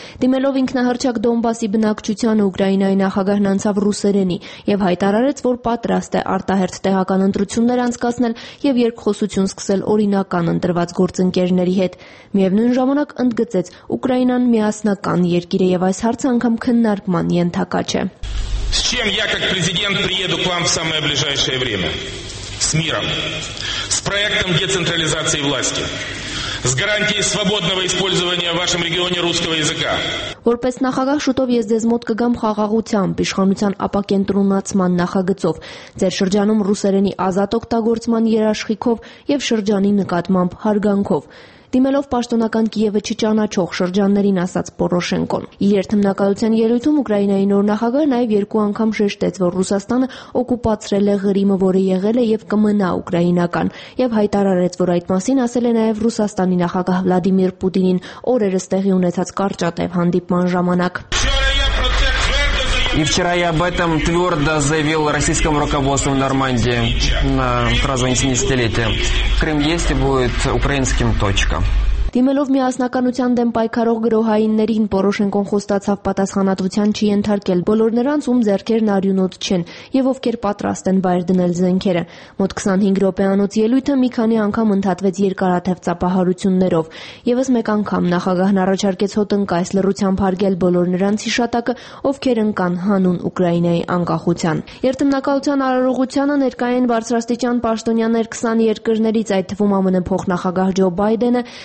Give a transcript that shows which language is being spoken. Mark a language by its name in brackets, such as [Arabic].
[Armenian] Դիմելով ինքնահռչակ Դոնբասի բնակչությանը, Ուկրաինայի նախագահն անցավ ռուսերենի և հայտարարեց, որ պատրաստ է արտահերթ տեղական ընտրություններ անցկացնել և երկխոսություն սկսել օրինական ընտրված գործընկերների հետ։ Միևնույն ժամանակ ընդգծեց, Ուկրաինան միասնական երկիր է և այս հարցը անգամ քննարկման ենթակա։ [Russian] С чем я, как президент, приеду к вам в самое ближайшее время? С миром, с проектом децентрализации власти. С гарантией свободного использования в вашем регионе русского языка. [Armenian] Որպես նախագահ շուտով ես ձեզ մոտ կգամ խաղաղությամբ, իշխանության ապակենտրոնացման նախագծով, ձեր շրջանում ռուսերենի ազատ օգտագործման երաշխիքով եւ շրջանի նկատմամբ հարգանքով։ Դիմելով պաշտոնական Կիևը չճանաչող շրջաններին ասաց Պորոշենկոն։ Իր երթմնակալության ելույթում Ուկրաինայի նոր նախագահը նաև երկու անգամ շեշտեց, որ Ռուսաստանը օկուպացրել է Ղրիմը, որը եղել է եւ կմնա ուկրաինական, եւ հայտարարեց, որ այդ մասին ասել է նաև Ռուսաստանի նախագահ Վլադիմիր Պուտինին օրերս տեղի ունեցած կարճատև հանդիպման ժամանակ։ [Russian] И вчера я об этом твердо заявил российскому руководству Нормандии на празднование 70-летия. Крым есть и будет украинским, точка. [Armenian] Դիմելով միասնականության դեմ պայքարող գրոհայիններին, Պորոշենկոն խոստացավ պատասխանատվության չի ենթարկել բոլոր նրանց, ում ձեռքերն արյունոտ չեն եւ ովքեր պատրաստ են վայր դնել զենքերը։ Մոտ 25 րոպե անց ելույթը մի քանի անգամ ընդհատվեց երկարաթև ծափահարություններով։ Եվս մեկ անգամ նախագահն առաջարկեց հոտնկայս լռությամբ հարգել բոլոր նրանց հիշատակը, ովքեր ընկան հանուն Ուկրաինայի անկախության։ Երթմնակալության արարողությանը ներկա են բարձրաստիճան պաշտոնյաներ 20 երկրներից, այդ թվում ԱՄՆ փոխնախագահ Ջո Բայդենը,